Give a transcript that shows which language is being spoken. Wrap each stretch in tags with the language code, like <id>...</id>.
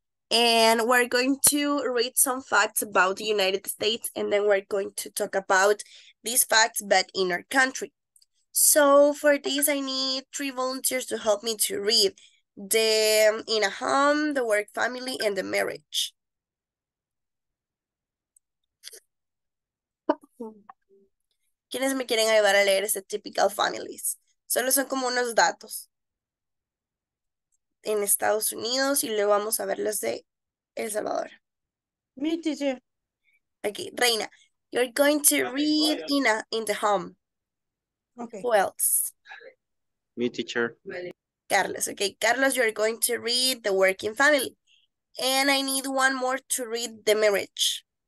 <en>And we're going to read some facts about the United States, and then we're going to talk about these facts, but in our country. So for this, I need three volunteers to help me to read. The in a home, the work family, and the marriage.</en> <es>¿Quiénes me quieren ayudar a leer este typical families? Solo son como unos datos en Estados Unidos y luego vamos a ver los de El Salvador.</es> <en>Me teacher. Okay, Reina, you're going to read in the home. Okay. Who else? Me teacher. Carlos, okay. Carlos, you're going to read the working family. And I need one more to read the marriage.</en>